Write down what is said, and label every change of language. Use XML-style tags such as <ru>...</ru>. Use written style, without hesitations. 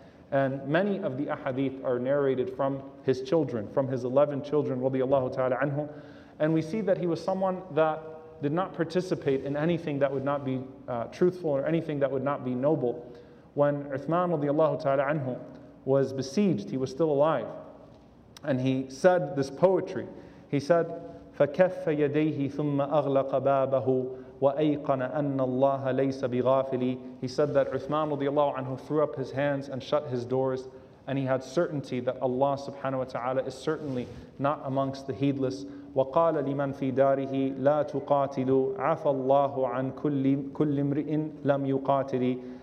<en>And many of the ahadith are narrated from his children, from his 11 children, radiallahu ta'ala anhu. And we see that he was someone that did not participate in anything that would not be truthful or anything that would not be noble. When Uthman radiallahu ta'ala anhu was besieged, he was still alive. And he said this poetry. He said,</en> <ar>فَكَفَّ يَدَيْهِ ثُمَّ أَغْلَقَ بَابَهُ وَأَيْقَنَ أَنَّ اللَّهَ لَيْسَ بِغَافِلِي.</ar> <en>He said that Uthman radiallahu anhu threw up his hands and shut his doors, and he had certainty that Allah subhanahu wa ta'ala is certainly not amongst the heedless.</en> <ar>وَقَالَ لِمَن فِي دَارِهِ لَا تُقَاتِلُوا عَفَى اللَّهُ عَن كُلِّ امْرِئٍ لَمْ يُقَاتِلِي.</ar>